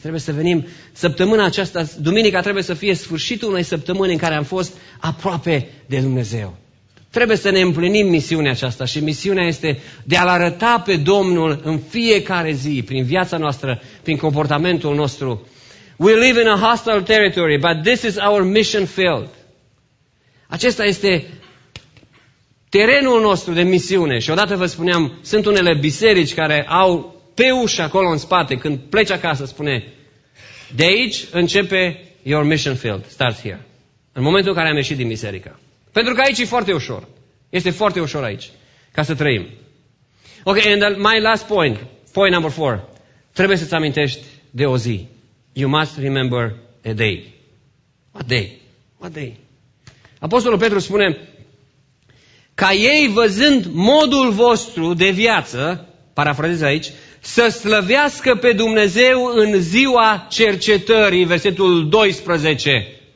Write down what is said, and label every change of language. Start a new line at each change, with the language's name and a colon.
Romanian: Trebuie să venim săptămâna aceasta, duminica trebuie să fie sfârșitul unei săptămâni în care am fost aproape de Dumnezeu. Trebuie să ne împlinim misiunea aceasta și misiunea este de a-L arăta pe Domnul în fiecare zi, prin viața noastră, prin comportamentul nostru.
English: We live in a hostile territory, but this is our mission field.
Romanian: Acesta este terenul nostru de misiune. Și odată vă spuneam, sunt unele biserici care au pe ușa acolo în spate, când pleci acasă, spune, de aici începe
English: your mission field, starts here.
Romanian: În momentul în care am ieșit din biserică. Pentru că aici e foarte ușor. Este foarte ușor aici, ca să trăim.
English: Ok, and my last point, point number four.
Romanian: Trebuie să-ți amintești de o zi.
English: You must remember a day. What day? What day?
Romanian: Apostolul Petru spune, ca ei văzând modul vostru de viață, parafrazez aici, să slăvească pe Dumnezeu în ziua cercetării, versetul 12.